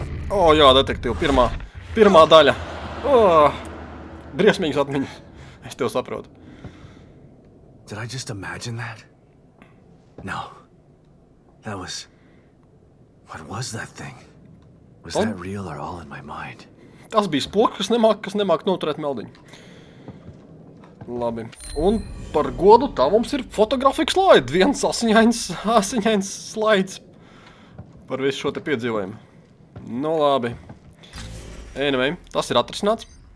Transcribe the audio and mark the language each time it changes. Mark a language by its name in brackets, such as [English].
[Latvian] O, jā, detektīva, pirmā daļa. Briesmīgas atmiņas, es tev saprotu. [English] Did I just imagine that? No, that was... What was that thing? Was that real or all in my mind? [Latvian] Tas bija spoks, kas nemāk noturēt meldiņu. Labi. Un par godu tā mums ir fotografika slaids. Viens asiņains slaids. Par visu šo te piedzīvojumu. Nu labi. Anyway, tas ir atrisināts.